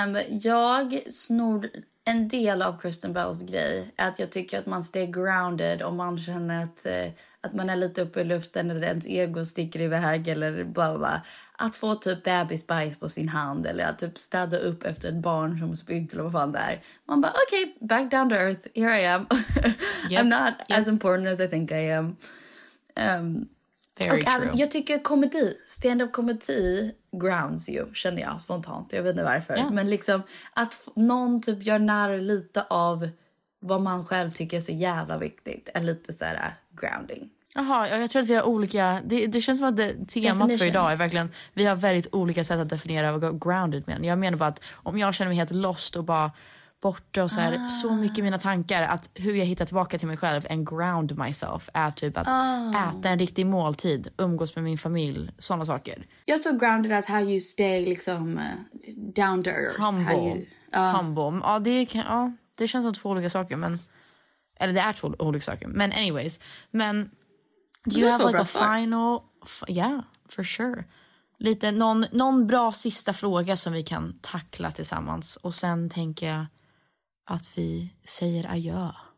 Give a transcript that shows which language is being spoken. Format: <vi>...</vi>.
<sv>Jag snor en del av Kristen Bells grej, är att jag tycker att man</sv> <en>stay grounded</en> <sv>om man känner att man är lite uppe i luften eller ens ego sticker iväg eller bla bla. Att få typ baby's bajs på sin hand, eller att typ städa upp efter ett barn som spytt eller vad fan det är. Man bara,</sv> <en>okej, back down to earth, here I am. I'm not as important as I think I am. Very true.</en> <sv>Jag tycker komedi, stand-up komedi grounds you, känner jag spontant. Jag vet inte varför. Yeah. Men liksom att någon typ gör nära lite av vad man själv tycker är så jävla viktigt är lite så här grounding. Jaha, jag tror att vi har olika... Det känns som att temat för idag är verkligen... Vi har väldigt olika sätt att definiera vad grounded menar. Jag menar bara att om jag känner mig helt lost och bara borta och så här... Så mycket mina tankar, att hur jag hittar tillbaka till mig själv</sv> <en>and ground myself</en> <sv>är typ att äta en riktig måltid, umgås med min familj, sådana saker.</sv> <en>You're so grounded as how you stay liksom down to earth. Humble. Humble.</en> <sv>Ja, det känns som två olika saker, men... Eller det är två olika saker. Men anyways, men...</sv> <en>Do you have like a final... Yeah, for sure.</en> <sv>Lite, någon bra sista fråga som vi kan tackla tillsammans. Och sen tänker jag att vi säger adjö.</sv>